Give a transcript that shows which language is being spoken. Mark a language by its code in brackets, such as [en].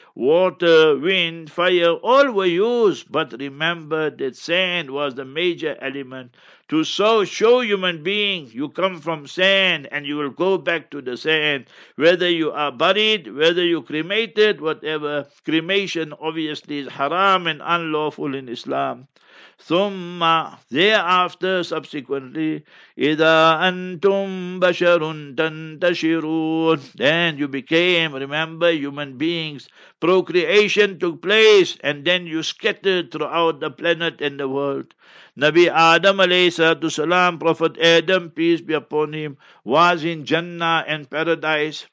[en] Water, wind, fire, all were used, but remember that sand was the major element. To show human being, you come from sand and you will go back to the sand. Whether you are buried, whether you cremated, whatever. Cremation obviously is haram and unlawful in Islam. [ar] Thumma, [en] thereafter, subsequently, [ar] إِذَا أَنْتُمْ بَشَرٌ تَنْتَشِرُونَ. [en] Then you became, remember, human beings. Procreation took place and then you scattered throughout the planet and the world. Nabi Adam alayhi salatu salam, Prophet Adam, peace be upon him, was in Jannah and paradise.